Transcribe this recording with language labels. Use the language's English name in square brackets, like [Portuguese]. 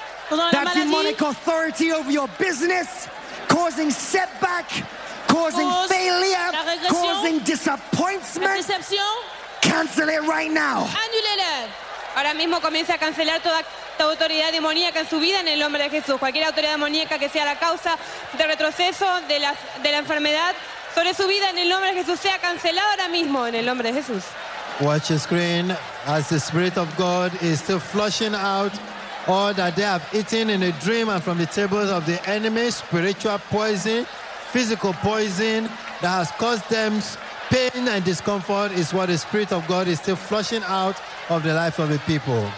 [English] That demonic authority over your business, causing setback, causing failure, causing disappointment. Cancel it right now. Annulele. [Spanish] Ahora mismo comience a cancelar toda autoridad demoníaca en su vida en el nombre de Jesús. Cualquier autoridad demoníaca que sea la causa de retroceso de la enfermedad sobre su vida en el nombre de Jesús sea cancelado ahora mismo en el nombre de Jesús. [English] Watch your screen as the Spirit of God is still flushing out all that they have eaten in a dream and from the tables of the enemy, spiritual poison, physical poison that has caused them pain and discomfort is what the Spirit of God is still flushing out of the life of the people.